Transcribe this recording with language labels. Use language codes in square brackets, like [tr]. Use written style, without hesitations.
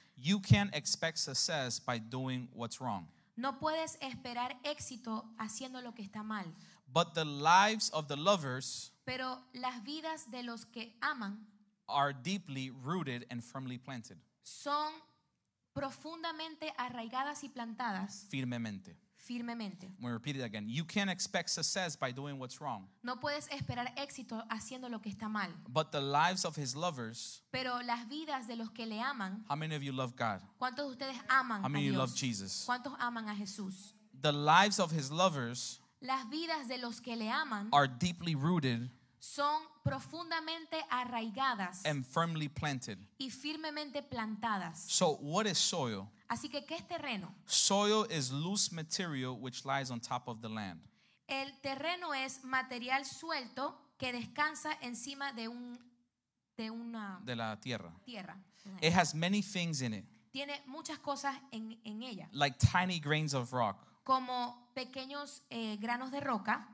[en] You can't expect success by doing what's wrong. [es] No puedes esperar éxito haciendo lo que está mal. [en] But the lives of the lovers, [es] pero las vidas de los que aman, [en] are deeply rooted and firmly planted. [es] Son profundamente arraigadas y plantadas. Firmemente. Firmemente. [en] We repeat it again. You can't expect success by doing what's wrong. [es] No puedes esperar éxito haciendo lo que está mal. [en] But the lives of his lovers. [es] Pero las vidas de los que le aman. [en] How many of you love God? [es] ¿Cuántos de ustedes aman a Dios? [en] How many of you love Jesus? [es] ¿Cuántos aman a Jesús? [en] The lives of his lovers. [es] Las vidas de los que le aman. [en] Are deeply rooted. [es] Son profundamente arraigadas. [en] And firmly planted. [es] Y firmemente plantadas. [en] So what is soil? [es] Así que, ¿qué es terreno? [en] Soil is loose material which lies on top of the land. [es] El terreno es material suelto que descansa encima de un de una de la tierra. Tierra. [en] It has many things in it. [es] Tiene muchas cosas en ella. [en] Like tiny grains of rock. [es] Como pequeños granos de roca.